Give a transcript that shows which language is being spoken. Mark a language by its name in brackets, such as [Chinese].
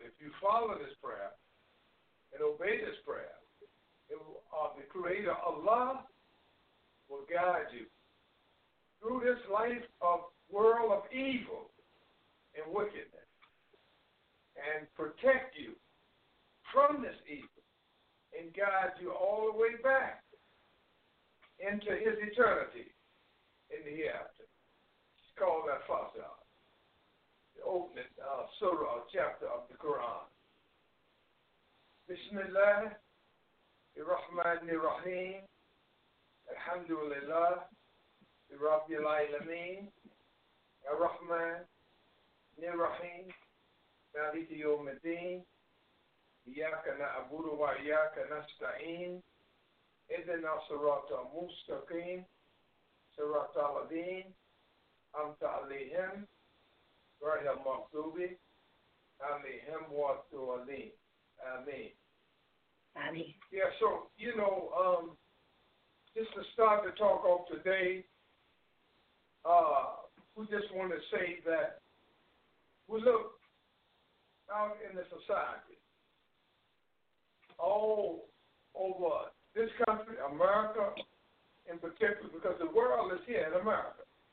[English] If you follow this prayer and obey this prayer, the Creator, Allah, will guide you through this life of world of evil and wickedness, and protect you from this evil and guide you all the way back into his eternity in the hereafter. It's called that Fasa, the opening surah or chapter of the Quran. [Arabic] Bismillah, Ar-Rahman Ar-Rahim, Alhamdulillah, Rabbil Alameen, Ar-Rahman Ar-Rahim, مالك يوم الدين إياك نعبد وإياك نستعين إذن صراط مستقيم صراط الذين أنعمت عليهم غير المغضوب عليهم ولا الضالين آمين آمين. [English] Yeah, so you know, just to start the talk off today, we just want to say that we look out in the society, all over this country, America in particular, because the world is here in America.